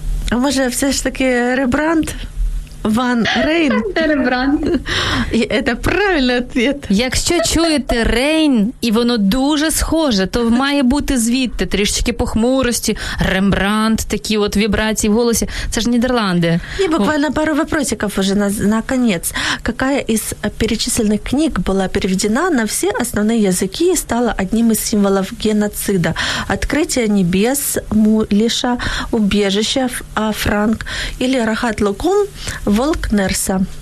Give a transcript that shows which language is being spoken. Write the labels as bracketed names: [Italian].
[Russian] А может, все же таки Рембрандт? Ван Рейн? Это Рембрандт. Это правильный ответ. [Ukrainian] Якщо чуєте Рейн, і воно дуже схоже, то має бути звідти трішечки похмурості, Рембрандт, такі от вібрації в голосі. Це ж Нідерланди. [Russian] І буквально пару вопросиков уже на конец. Какая из перечисленных книг была переведена на все основные языки и стала одним из символов геноцида? Открытие небес, Муліша, убежище, Франк или Рахат Лукум, Волкнерса?